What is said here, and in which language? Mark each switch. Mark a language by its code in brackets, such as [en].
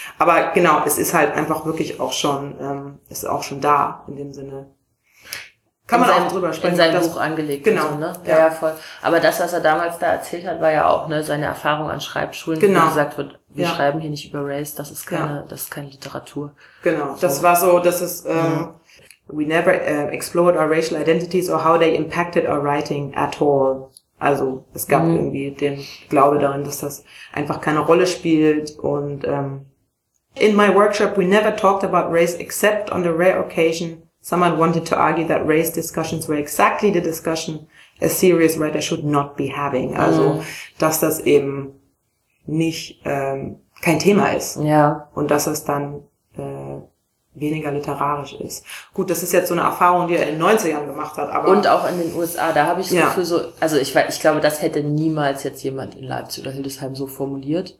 [de] Aber genau, es ist halt einfach wirklich auch schon, ist auch schon da in dem Sinne. Kann man auch drüber sprechen. In sein Buch angelegt. Genau. So, ne? Ja. Ja, voll. Aber das, was er damals da erzählt hat, war ja auch, ne, seine Erfahrung an Schreibschulen, genau. Wo gesagt wird, wir schreiben hier nicht über Race, das ist keine, das ist keine Literatur. Genau. So. Das war so, das ist, [en] we never explored our racial identities or how they impacted our writing at all. [de] Also es gab irgendwie den Glaube darin, dass das einfach keine Rolle spielt. [en] Und in my workshop we never talked about race except on the rare occasion someone wanted to argue that race discussions were exactly the discussion a serious writer should not be having. [de] Also dass das eben nicht kein Thema ist. Ja. Und dass es dann weniger literarisch ist. Gut, das ist jetzt so eine Erfahrung, die er in den 90ern gemacht hat, aber. Und auch in den USA, da habe ich das Gefühl so, also ich glaube, das hätte niemals jetzt jemand in Leipzig oder Hildesheim so formuliert.